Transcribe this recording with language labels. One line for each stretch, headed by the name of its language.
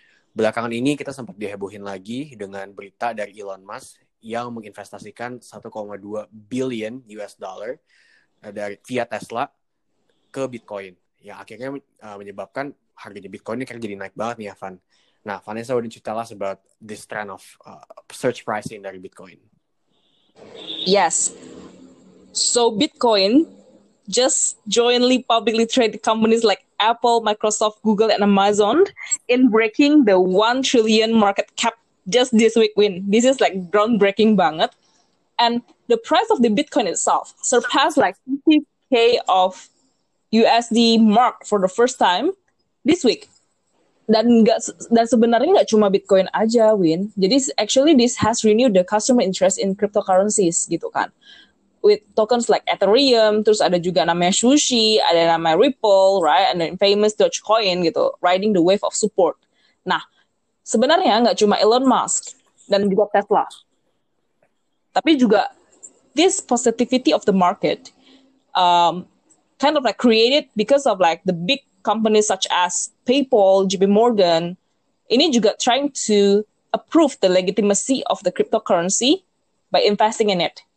Indonesian: Belakangan ini kita sempat dihebohin lagi dengan berita dari Elon Musk yang menginvestasikan 1,2 billion US dollar dari via Tesla ke Bitcoin. Yang akhirnya menyebabkan harganya Bitcoin ini kayak jadi naik banget nih ya, Van.
English: Nah, Vanessa, would you tell us about this trend of surge pricing dari Bitcoin? Yes. So Bitcoin just jointly publicly traded companies like Apple, Microsoft, Google, and Amazon in breaking the 1 trillion market cap just this week win. This is like groundbreaking banget. And the price of the Bitcoin itself surpassed like 50K of USD mark for the first time this week.
Indonesian: Dan sebenarnya nggak cuma Bitcoin aja, Win. Jadi,
English: actually this has renewed the customer interest in cryptocurrencies,
Indonesian: gitu kan.
English: With tokens like Ethereum,
Indonesian: terus ada juga namanya
English: Sushi,
Indonesian: ada namanya
English: Ripple, right? And then famous Dogecoin,
Indonesian: gitu.
English: Riding the wave of support.
Indonesian: Nah, sebenarnya nggak cuma Elon Musk dan juga Tesla. Tapi juga,
English: this positivity of the market kind of like created because of like the big companies such as PayPal, JP Morgan,
Indonesian: ini juga
English: trying to approve the legitimacy of the cryptocurrency by investing in it.